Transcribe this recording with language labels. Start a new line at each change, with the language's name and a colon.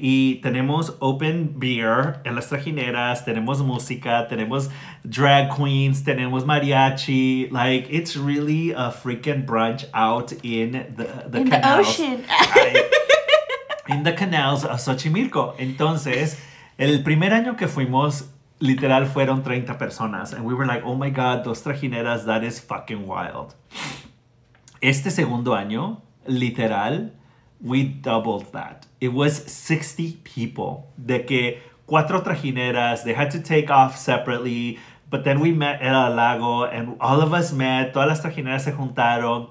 Spanish: Y tenemos open beer en las trajineras, tenemos música, tenemos drag queens, tenemos mariachi.
English: Like, it's really a freaking brunch out in the in canals. In the ocean. In the canals of Xochimilco.
Spanish: Entonces, el primer año que fuimos, literal, fueron 30 personas.
English: And we were like, oh my God,
Spanish: dos trajineras,
English: that is fucking wild.
Spanish: Este segundo año, literal,
English: we doubled that. It was 60 people.
Spanish: De que cuatro trajineras,
English: they had to take off separately. But then we met El Lago, and all of us met.
Spanish: Todas las trajineras se juntaron.